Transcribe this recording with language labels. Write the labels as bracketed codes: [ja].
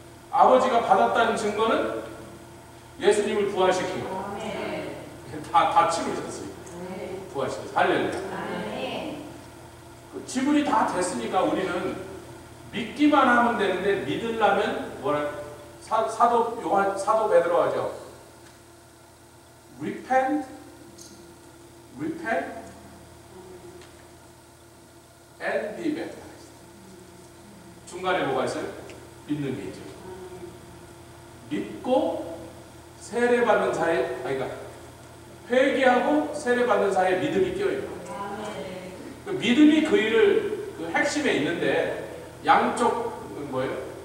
[ko] 아버지가 받았다는 증거는 예수님을 부활시킨 거예요. 다 치르셨어요. 부활시켜서 할렐루야. 지불이 다 됐으니까 우리는 믿기만 하면 되는데 믿으려면 뭐라 사도 요한 사도 베드로 하죠. [en] Repent, repent, and be baptized. [ko] 중간에 뭐가 있어요? 믿는 게 있죠. 믿고 세례 받는 사이에, 그러니까 회개하고 세례 받는 사이에 믿음이 끼어 있고. 그 믿음이 그 일을 그 핵심에 있는데 양쪽은 뭐예요?